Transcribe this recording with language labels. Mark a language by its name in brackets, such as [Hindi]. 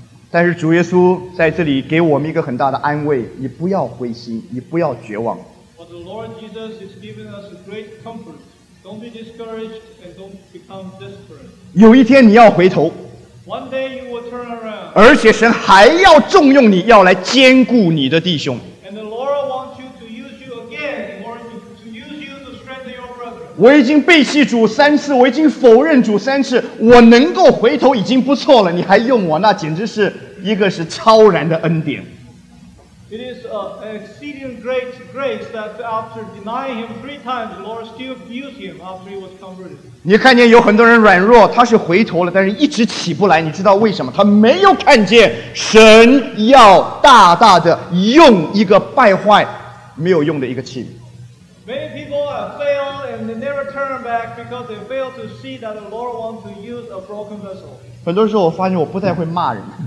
[Chinese] 但是主耶稣在这里给我们一个很大的安慰，你不要灰心，你不要绝望。 [English] But the Lord Jesus is giving us a great comfort. Don't be discouraged and don't become desperate. [Chinese] 有一天你要回头。 [English] One day you will turn around. [Chinese] 而且神还要重用你，要来兼顾你的弟兄。 [English] And the Lord wants you to use you again, in order to use you to strengthen your brother. [Chinese] 我已经背弃主三次，我已经否认主三次，我能够回头已经不错了，你还用我，那简直是。一个是超然的恩典。 [English] It is an exceeding great grace that after denying him three times, the Lord still views him after he was converted. [Chinese] 你看见有很多人软弱，他是回头了，但是一直起不来，你知道为什么？他没有看见神要大大的用一个败坏、没有用的一个器皿。 [English] Many people have failed and they never turn back because they fail to see that the Lord wants to use a broken vessel. [Chinese] 很多时候我发现我不太会骂人。